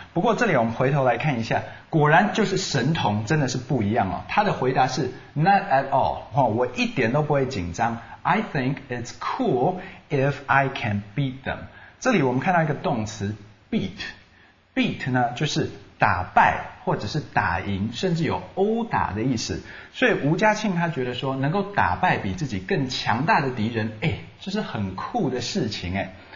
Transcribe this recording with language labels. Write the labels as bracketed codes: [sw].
[zh] 不过这里我们回头来看一下，果然就是神童真的是不一样哦。他的回答是 [en] not at all， [zh] 我一点都不会紧张。 [en] I think it's cool if I can beat them。 [zh] 这里我们看到一个动词 beat 呢就是打败或者是打赢，甚至有殴打的意思。所以吴嘉庆他觉得说，能够打败比自己更强大的敌人，哎，这是很酷的事情哎。